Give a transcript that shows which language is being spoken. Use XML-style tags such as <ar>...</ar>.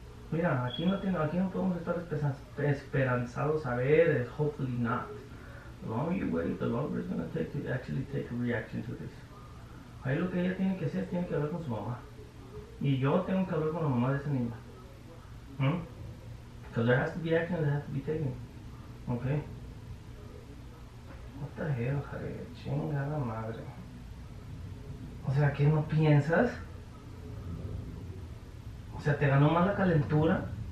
<es>Mira, aquí no tengo, aquí no podemos estar esperanzados a ver.</es> <en>Hopefully not. The longer you wait, the longer it's gonna take to actually take a reaction to this.</en> <es>Ahí lo que ella tiene que hacer tiene que hablar con su mamá. Y yo tengo que hablar con la mamá de esa niña.</es> <en>Because there has to be action that has to be taken. Okay? What the hell, Javier?</en> <es>Chingada madre. O sea, ¿qué no piensas? O sea, ¿te ganó más la calentura?</es>